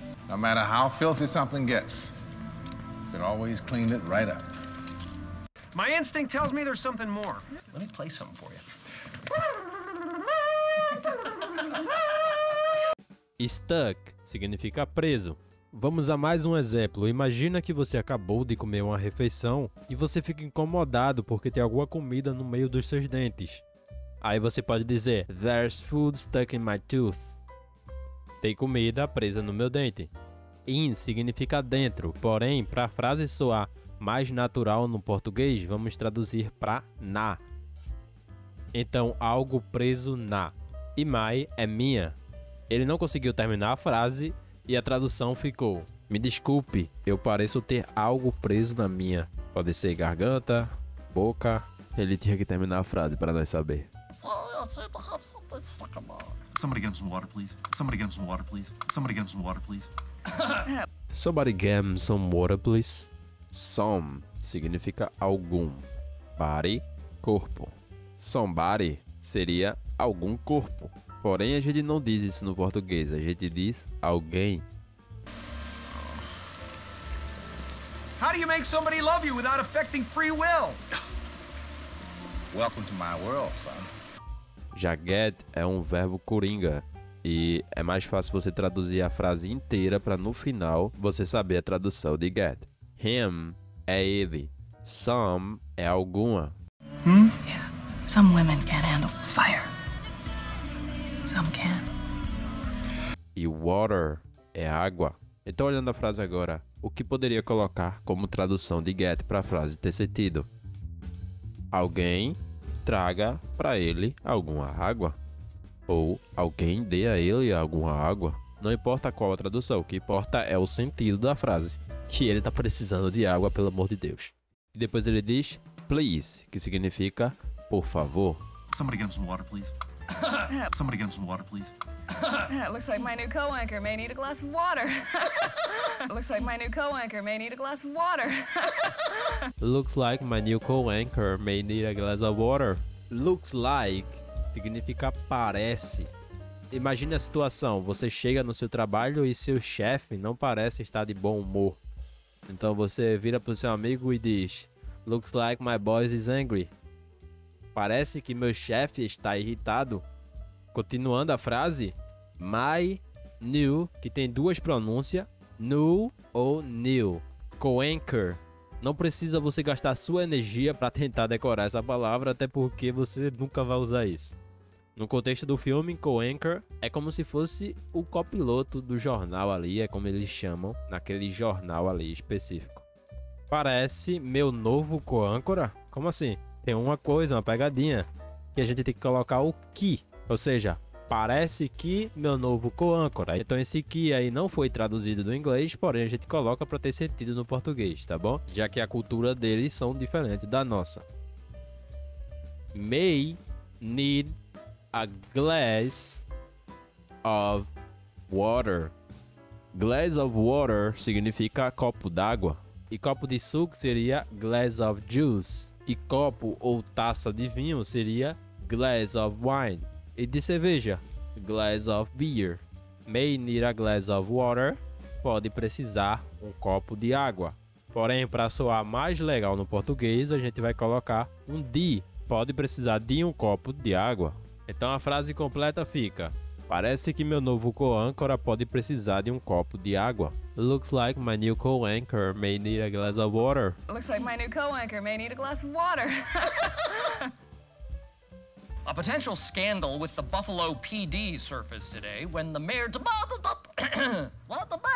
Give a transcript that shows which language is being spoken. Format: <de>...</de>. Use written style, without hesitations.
<en>No matter how filthy something gets, you can always clean it right up. My instinct tells me there's something more. Let me play something for you.</en> <pt>Stuck significa preso. Vamos a mais um exemplo. Imagina que você acabou de comer uma refeição e você fica incomodado porque tem alguma comida no meio dos seus dentes. Aí você pode dizer,</pt> <en>there's food stuck in my tooth.</en> <pt>Tem comida presa no meu dente. In significa dentro, porém, para a frase soar mais natural no português, vamos traduzir para na. Então, algo preso na. E my é minha. Ele não conseguiu terminar a frase e a tradução ficou: me desculpe, eu pareço ter algo preso na minha. Pode ser garganta, boca. Ele tinha que terminar a frase para nós saber.</pt> <en>Sorry, I seem to have something stuck in my eye. Somebody get him some water, please. Somebody get him some water, please. Somebody get him some water, please. Somebody get him some water, please.</en> <pt>Some significa algum. Body, corpo. Somebody seria algum corpo. Porém, a gente não diz isso no português. A gente diz alguém.</pt> <en>How do you make somebody love you without affecting free will? Welcome to my world, son.</en> <pt>Já get é um verbo coringa. E é mais fácil você traduzir a frase inteira para no final você saber a tradução de get. Him é ele. Some é alguma.</pt> <en>Hmm? Yeah. Some women can't handle fire. Some can.</en> <pt>E water é água. Então, olhando a frase agora, o que poderia colocar como tradução de get para a frase ter sentido? Alguém traga para ele alguma água. Ou alguém dê a ele alguma água. Não importa qual a tradução, o que importa é o sentido da frase. Que ele tá precisando de água, pelo amor de Deus. E depois ele diz, please, que significa, por favor.</pt> <en>Somebody get some water, please. Somebody get some water, please. Looks like my new co-anchor may need a glass of water. Looks like my new co-anchor may need a glass of water. Looks like my new co-anchor may need a glass of water.</en> <pt>Looks like significa parece. Imagine a situação, você chega no seu trabalho e seu chefe não parece estar de bom humor. Então você vira pro seu amigo e diz,</pt> <en>looks like my boss is angry.</en> <pt>Parece que meu chefe está irritado. Continuando a frase, my new, que tem duas pronúncias, new ou new. Co-anchor. Não precisa você gastar sua energia para tentar decorar essa palavra, até porque você nunca vai usar isso. No contexto do filme, co-anchor é como se fosse o copiloto do jornal ali, é como eles chamam naquele jornal ali específico. Parece meu novo co-âncora? Como assim? Tem uma coisa, uma pegadinha, que a gente tem que colocar o que. Ou seja, parece que meu novo co-âncora. Então esse que aí não foi traduzido do inglês, porém a gente coloca para ter sentido no português, tá bom? Já que a cultura deles são diferentes da nossa.</pt> <en>May need a glass of water.</en> <pt>Glass of water significa copo d'água. E copo de suco seria glass of juice. E copo ou taça de vinho seria glass of wine. E de cerveja, glass of beer.</pt> <en>May need a glass of water.</en> <pt>Pode precisar um copo de água. Porém, para soar mais legal no português, a gente vai colocar um de. Pode precisar de um copo de água. Então a frase completa fica, parece que meu novo co-anchor pode precisar de um copo de água.</pt> <en>Looks like my new co-anchor may need a glass of water. Looks like my new co-anchor may need a glass of water. A potential scandal with the Buffalo PD surfaced today when the mayor demanded that...</en>